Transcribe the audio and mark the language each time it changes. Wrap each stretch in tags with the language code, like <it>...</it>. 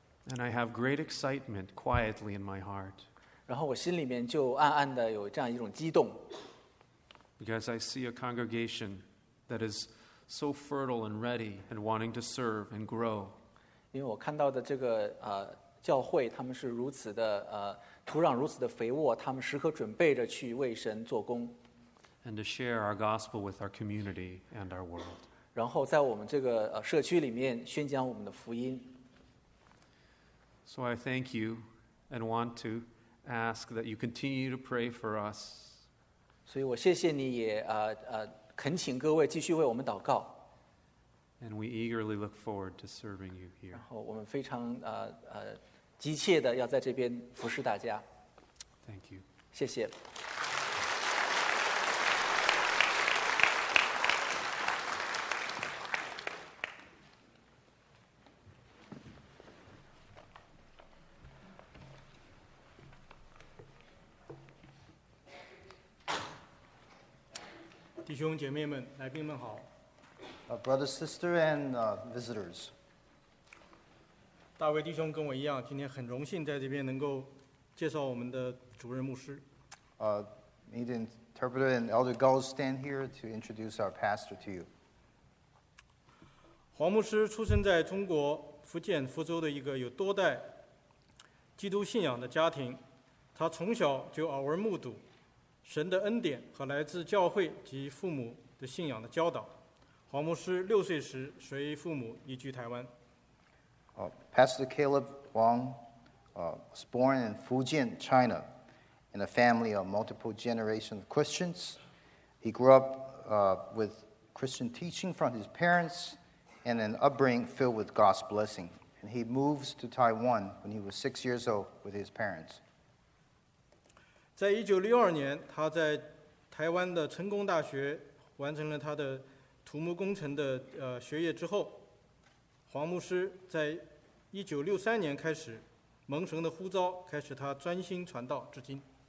<en>And I have great excitement quietly in my heart.</en> <zh>然后我心里面就暗暗的有这样一种激动。</zh> <en>Because I see a congregation that is so fertile and ready and wanting to serve and grow.</en> <zh>因为我看到的这个教会，他们是如此的土壤如此的肥沃，他们时刻准备着去为神做工。</zh> <en>And to share our gospel with our community and our world.</en> <zh>然后在我们这个社区里面宣讲我们的福音。</zh> <en>So I thank you and want to ask that you continue to pray for us.</en> <zh>所以我谢谢你也恳请各位继续为我们祷告。</zh> <en>And we eagerly look forward to serving you here.</en> <zh>然后我们非常急切的要在这边服侍大家。</zh> <en>Thank you.</en> <zh>谢谢。弟兄姐妹们，来宾们好。</zh> <en>Brother, sister, and visitors.</en> <zh>大卫弟兄跟我一样，今天很荣幸在这边能够介绍我们的主任牧师。</zh> <en>Need interpreter and Elder Gao stand here to introduce our pastor to you.</en> <zh>黄牧师出生在中国福建福州的一个有多代基督信仰的家庭，他从小就耳闻目睹神的恩典和来自教会及父母的信仰的教导。黄牧师六岁时随父母移居台湾。</zh> <en>Pastor Caleb Huang was born in Fujian, China, in a family of multiple generations of Christians. He grew up with Christian teaching from his parents and an upbringing filled with God's blessing. And he moves to Taiwan when he was 6 years old with his parents.</en> <zh>在1962年，他在台湾的成功大学完成了他的土木工程的学业之后，黄牧师在1963年开始蒙神的呼召，开始他专心传道至今。</zh>